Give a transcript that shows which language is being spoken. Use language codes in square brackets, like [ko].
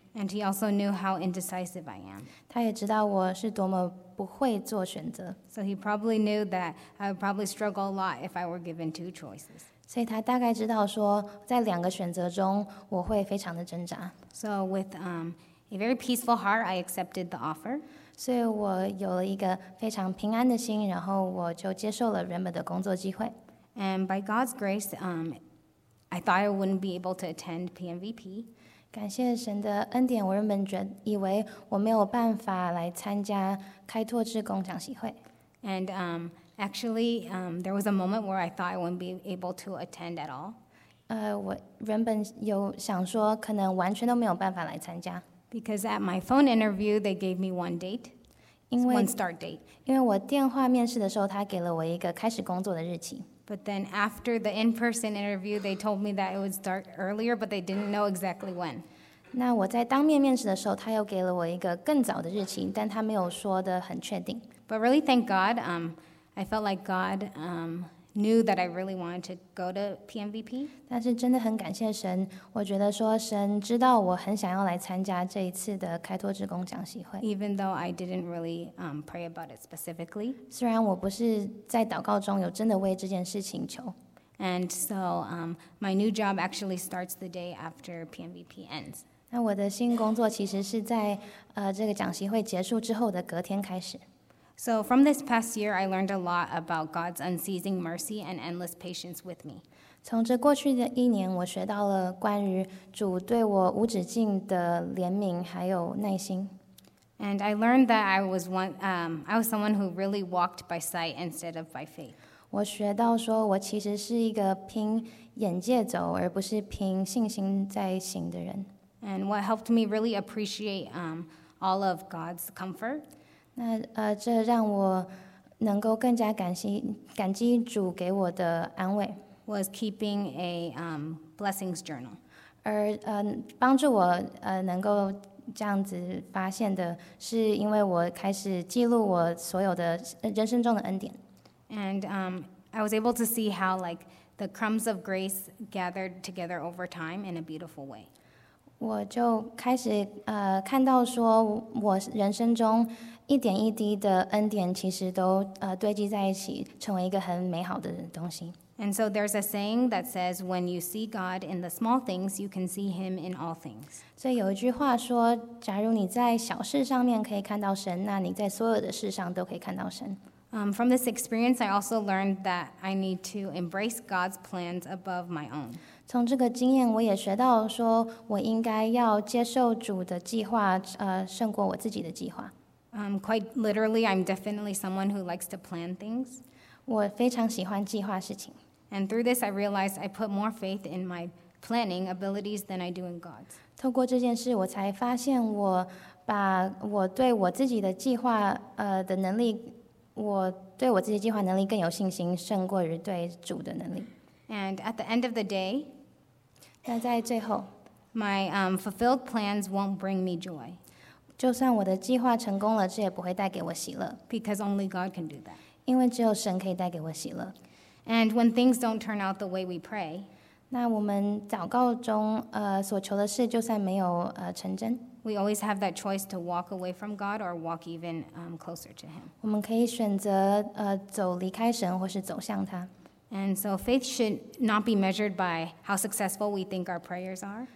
[en] And he also knew how indecisive I am. [zh] 他也知道我是多么不会做选择。 [en] So he probably knew that I would probably struggle a lot if I were given two choices. [zh] 所以他大概知道说在两个选择中我会非常的挣扎。 [en] So with a very peaceful heart, I accepted the offer. [zh] 所以我有了一个非常平安的心，然后我就接受了原本的工作机会。 [en] And by God's grace, I thought I wouldn't be able to attend PMVP. [zh] 感谢神的恩典，我原本以为我没有办法来参加开拓志工讲习会。 [en] And there was a moment where I thought I wouldn't be able to attend at all. [zh] 我原本有想说可能完全都没有办法来参加。 [en] Because at my phone interview, they gave me one date, one start date. [zh] 因为我电话面试的时候，他给了我一个开始工作的日期。 [en] But then after the in-person interview, they told me that it would start earlier, but they didn't know exactly when. [zh] 那我在当面面试的时候，他又给了我一个更早的日期，但他没有说得很确定。 [en] But really, thank God, I felt like God knew that I really wanted to go to PMVP. [zh] 但是真的很感谢神，我觉得说神知道我很想要来参加这一次的开拓志工讲习会。 [en] Even though I didn't really pray about it specifically. [zh] 虽然我不是在祷告中有真的为这件事情求。 [en] And so my new job actually starts the day after PMVP ends. [zh] 那我的新工作其实是在这个讲习会结束之后的隔天开始。 [en] So from this past year, I learned a lot about God's unceasing mercy and endless patience with me. [zh] 从这过去的一年，我学到了关于主对我无止境的怜悯还有耐心。 [en] And I learned that I was someone who really walked by sight instead of by faith. [zh] 我学到说我其实是一个凭眼界走，而不是凭信心在行的人。 [en] And what helped me really appreciate all of God's comfort. [zh] 那这让我能够更加感激主给我的安慰 [en] was keeping a blessings journal [zh] 而帮助我能够这样子发现的是因为我开始记录我所有的人生中的恩典 [en] and I was able to see how like the crumbs of grace gathered together over time in a beautiful way [zh] 我就开始看到说我人生中一点一滴的恩典其实都堆积在一起，成为一个很美好的东西。 [en] And so there's a saying that says, when you see God in the small things, you can see Him in all things. [zh] 所以有一句话说，假如你在小事上面可以看到神，那你在所有的事上都可以看到神。 [en] From this experience, I also learned that I need to embrace God's plans above my own. [zh] 从这个经验，我也学到说我应该要接受主的计划，胜过我自己的计划。 [en] Quite literally, I'm definitely someone who likes to plan things. [zh] 我非常喜欢计划事情。 [en] And through this, I realized I put more faith in my planning abilities than I do in God's. [zh] 透过这件事，我才发现我把我对我自己的计划的能力，我对我自己计划能力更有信心，胜过于对主的能力。 [en] And at the end of the day, [zh] 那在最后 [en] my fulfilled plans won't bring me joy. [zh] 就算我的计划成功了，这也不会带给我喜乐。 [en] Because only God can do that. [zh] 因为只有神可以带给我喜乐。 [en] And when things don't turn out the way we pray, [zh] 那我们祷告中所求的事就算没有成真。 [en] We always have that choice to walk away from God or walk even closer to Him. [zh] 我们可以选择走离开神或是走向他。 [en] And so faith should not be measured by how successful we think our prayers are.